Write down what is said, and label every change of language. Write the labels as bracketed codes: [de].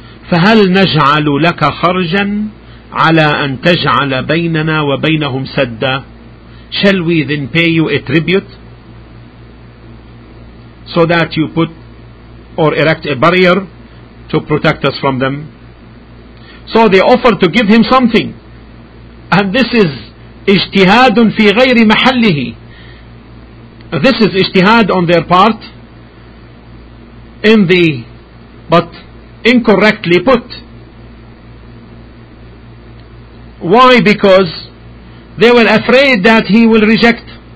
[ar] فَهَلْ نَجْعَلُ لَكَ خَرْجًا عَلَىٰ أَن تَجْعَلَ بَيْنَنَا وَبَيْنَهُمْ سَدًّا. [en] Shall we then pay you a tribute so that you put or erect a barrier to protect us from them? So they offered to give him something. And this is [ar] اجتهاد في غير محله. [en] This is اجتهاد on their part, but incorrectly put. Why? Because they were afraid that he will reject.